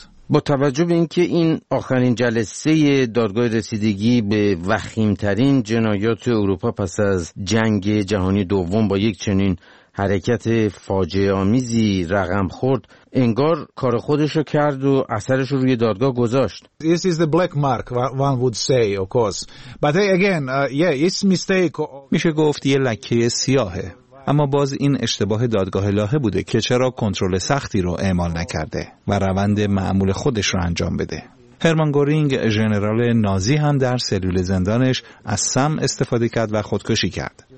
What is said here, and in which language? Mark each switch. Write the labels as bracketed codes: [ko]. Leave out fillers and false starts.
[fa] با توجه به اینکه این آخرین جلسه دادگاه رسیدگی به وخیمترین جنایات اروپا پس از جنگ جهانی دوم با یک چنین حرکت فاجعه آمیزی رقم خورد، انگار کار خودشو کرد و اثرش رو روی دادگاه گذاشت. [en] This is the black mark one would say, of course. But again, it's mistake. [fa] میشه گفت یه لکه سیاهه. اما باز این اشتباه دادگاه لاهه بوده که چرا کنترل سختی رو اعمال نکرده و روند معمول خودش رو انجام بده. هرمان گورینگ ژنرال نازی هم در سلول زندانش از سم استفاده کرد و خودکشی کرد.